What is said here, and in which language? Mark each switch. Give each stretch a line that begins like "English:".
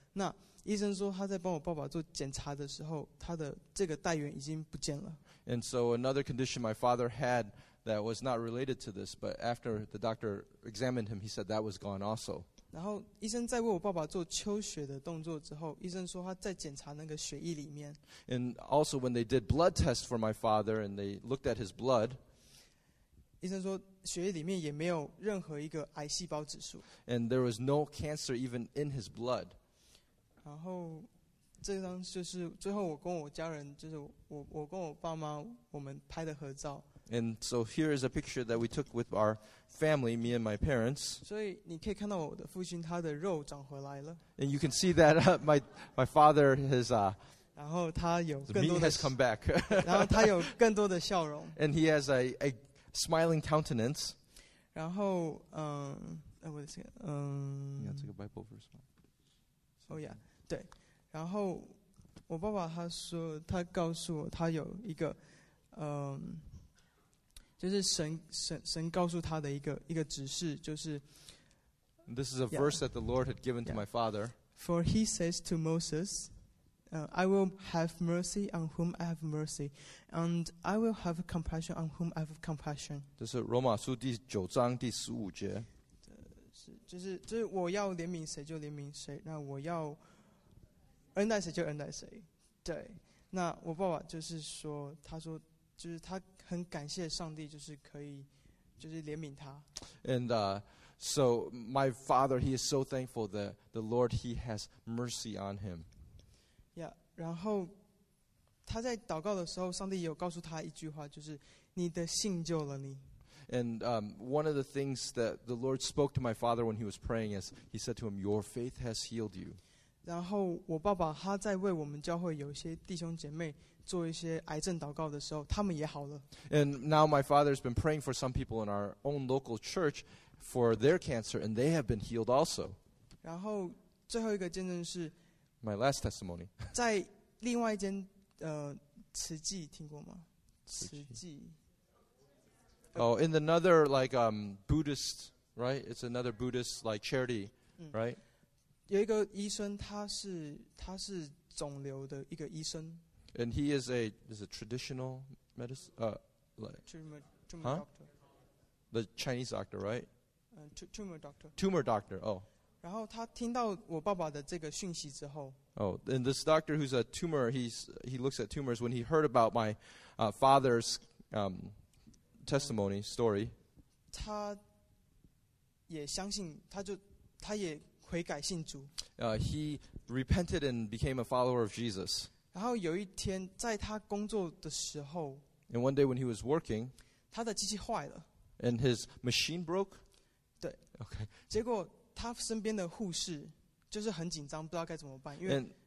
Chinese: 那医生说他在帮我爸爸做检查的时候，他的这个带原已经不见了。
English: And so another condition my father had that was not related to this, but after the doctor examined him, he said that was gone also.
Chinese: 然后医生在为我爸爸做抽血的动作之后，医生说他在检查那个血液里面。
English: And also when they did blood tests for my father and they looked at his blood.
Chinese: 医生说，血液里面也没有任何一个癌细胞指数。
English: And there was no cancer even in his blood.
Chinese: 然后，这张就是最后我跟我家人，就是我跟我爸妈，我们拍的合照。
English: And so here is a picture that we took with our family, me and my parents.
Chinese: 所以你可以看到我的父亲他的肉长回来了。
English: And you can see that my father has
Chinese: 然后他有更多的
English: meat has come back.
Chinese: 然后他有更多的笑容。
English: And he has a smiling countenance.
Chinese: 然后
English: wait a second. You gotta take a Bible verse. Oh yeah,
Chinese: 对。然后我爸爸他说，他告诉我他有一个，就是神告诉他的一个指示，就是。
English: This is a verse that the Lord had given to my father. For he says to Moses, I will have mercy on whom I have mercy, and I will have compassion on whom I have compassion.
Chinese: 这是罗马书第九章第十五节。就是我要怜悯谁就怜悯谁，那我要恩待谁就恩待谁。对，那我爸爸就是说，他说就是他很感谢上帝，就是可以就是怜悯他。
English: And so my father, he is so thankful that the Lord he has mercy on him. Yeah,
Chinese: 然后他在祷告的时候，上帝有告诉他一句话，就是你的信救了你。
English: And one of the things that the Lord spoke to my father when he was praying is, he said to him, your faith has healed you.
Chinese: 然后我爸爸他在为我们教会有一些弟兄姐妹做一些癌症祷告的时候，他们也好了。
English: And now my father has been praying for some people in our own local church for their cancer, and they have been healed also.
Chinese: 然后最后一个见证是
English: my last testimony.
Chinese: 在另外一间慈济听过吗？慈济。
English: Oh, in another like Buddhist, right? It's another Buddhist like charity, right?
Chinese: 有一个医生，他是肿瘤的一个医生。
English: And he is a traditional medicine, the Chinese doctor, right? Tumor doctor. Tumor doctor. Oh.
Chinese: 然后他听到我爸爸的这个讯息之后。
English: Oh, and this doctor who's a tumor, he looks at tumors. When he heard about my father's testimony story,
Chinese: 他也相信，他也悔改信主。
English: He repented and became a follower of Jesus.
Chinese: 然后有一天，在他工作的时候
English: ，and one day when he was working,
Chinese: 他的机器坏了
English: ，and his machine broke.
Chinese: 对
English: ，OK.
Chinese: 结果他身边的护士就是很紧张，不知道该怎么办，因为。